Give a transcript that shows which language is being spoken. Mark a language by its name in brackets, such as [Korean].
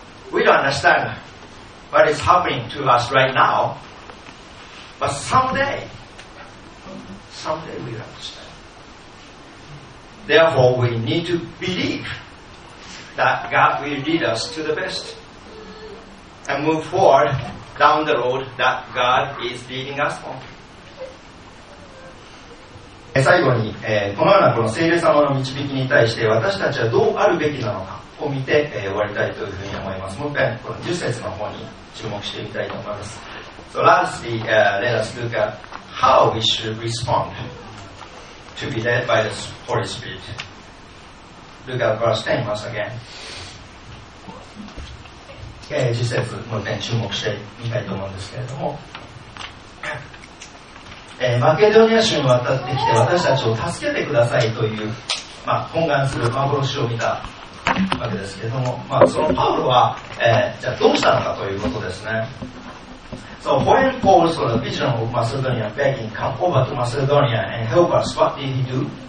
[English] We don't understand what is happening to us right now, but someday we understand. Therefore, we need to believe that God will lead us to the best and move forward down the road that God is leading us on. [Japanese] 最後に、このようなこの聖霊様の導きに対して私たちはどうあるべきなのかを見て、終わりたいというふうに思います。もう一遍この10節の方に注目してみたいと思います。 [English] So lastly,let us look at how we should respond to be led by the Holy Spirit. Look at verse 10 once again. [Japanese] 10節もう一遍注目してみたいと思うんですけれども、マケドニア州に渡ってきて私たちを助けてくださいという、まあ、懇願する幻を見たわけですけれども、まあ、そのパウロは、じゃあどうしたのかということですね。 [English] So when Paul saw the vision of Macedonia begging, come over to Macedonia and help us, what did he do?